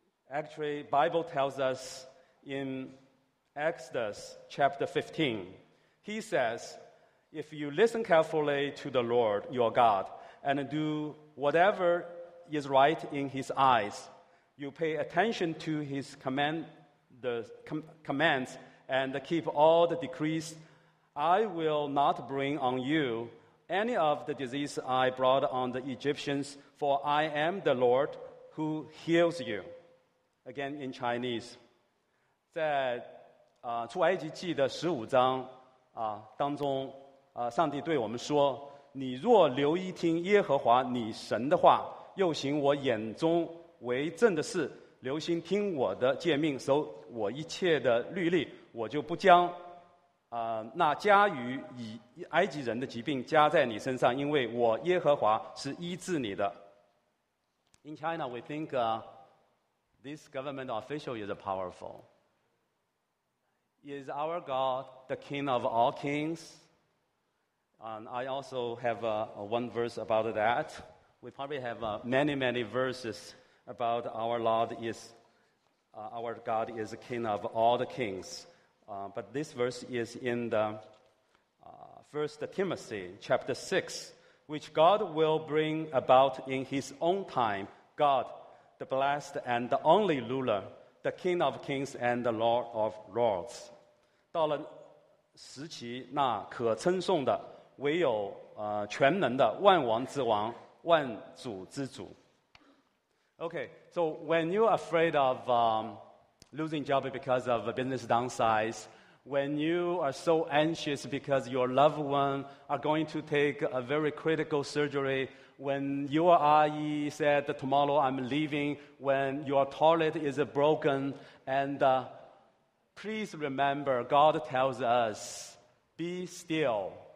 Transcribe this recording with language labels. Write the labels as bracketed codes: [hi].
[en] Actually, the Bible tells us in Exodus chapter 15, he says, if you listen carefully to the Lord, your God, and do whatever is right in his eyes, you pay attention to his commands and keep all the decrees, I will not bring on you any of the disease I brought on the Egyptians, for I am the Lord who heals you. Again in Chinese. [zh] 在出埃及记的十五章当中上帝对我们说，你若留意听耶和华你神的话，又行我眼中为正的事，留心听我的诫命，守我一切的律例，我就不将那加于以埃及人的疾病加在你身上，因为我耶和华是医治你的。 [en] In China we think this government official is powerful. Is our God the king of all kings? And I also have one verse about that. We probably have many verses about our Lord is, our God is the king of all the kings. But this verse is in the 1 Timothy chapter 6, which God will bring about in his own time. God, the blessed and the only ruler, the king of kings and the lord of lords. [zh] 到了时期，那可称颂的唯有全能的万王之王，万主之主。 [en] Okay, so when you're afraid of losing job because of a business downsize, when you are so anxious because your loved one are going to take a very critical surgery, when your IE said tomorrow I'm leaving, when your toilet is broken, and please remember, God tells us, be still.